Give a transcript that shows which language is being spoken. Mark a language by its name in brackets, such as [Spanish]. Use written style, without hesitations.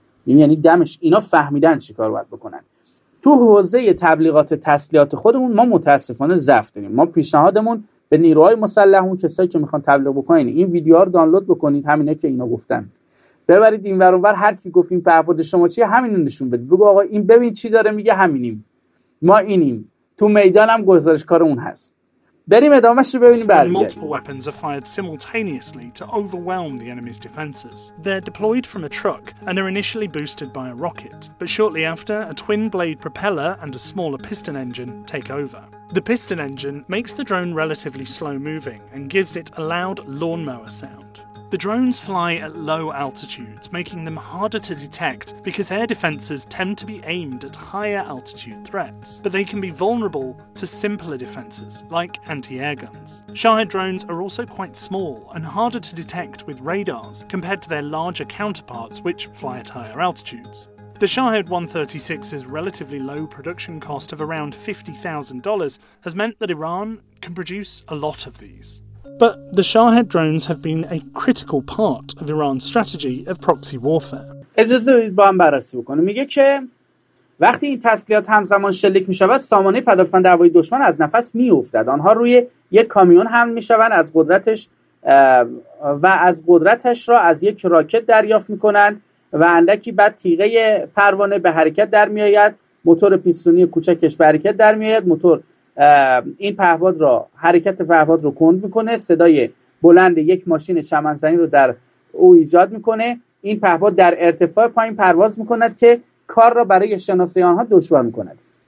[Persian] یعنی دمش اینا فهمیدن چی کار باید بکنن. تو حوزه تبلیغات تسلیحات خودمون ما متاسفانه ضعف داریم. ما پیشنهادمون به نیروهای مسلح، اون کسایی که میخوان تبلیغ بکنن، این ویدیوها رو دانلود بکنید، همینه که اینا گفتن، ببرید این ور اون ور، هر کی گفت این پهپاد شما چیه همین رو نشون بدید، بگو آقا این ببین چی داره میگه، همینیم ما، اینیم تو میدانم گزارش کار اون هست. بریم ادامهش رو ببینیم. برمیگردیم. [English] Multiple weapons are fired simultaneously to overwhelm the enemy's defenses. They're deployed from a truck and are initially boosted by a rocket, but shortly after a twin blade propeller and a smaller piston engine take over. The piston engine makes the drone relatively slow moving and gives it a loud lawnmower sound. The drones fly at low altitudes, making them harder to detect because air defenses tend to be aimed at higher altitude threats, but they can be vulnerable to simpler defenses like anti-air guns. Shahed drones are also quite small and harder to detect with radars compared to their larger counterparts, which fly at higher altitudes. The Shahed 136's relatively low production cost of around $50,000 has meant that Iran can produce a lot of these. But the Shahed drones have been a critical part of Iran's strategy of proxy warfare. [Persian] اجازه بدید با هم بررسی بکنم. میگه که وقتی این تسلیحات همزمان شلیک میشود، سامانه پدافند هوایی دشمن از نفس میافتد. آنها روی یک کامیون حمل میشوند از قدرتش و از قدرتش را از یک راکت دریافت میکنند و اندکی بعد تیغه پروانه به حرکت در میآید، موتور پیستونی کوچکش به حرکت در میآید، موتور این پهپاد را حرکت پهپاد رو کند میکنه، صدای بلند یک ماشین چمنزنی رو در او ایجاد میکنه، این پهپاد در ارتفاع پایین پرواز میکند که کار را برای شناسایی آنها دشوار میکند.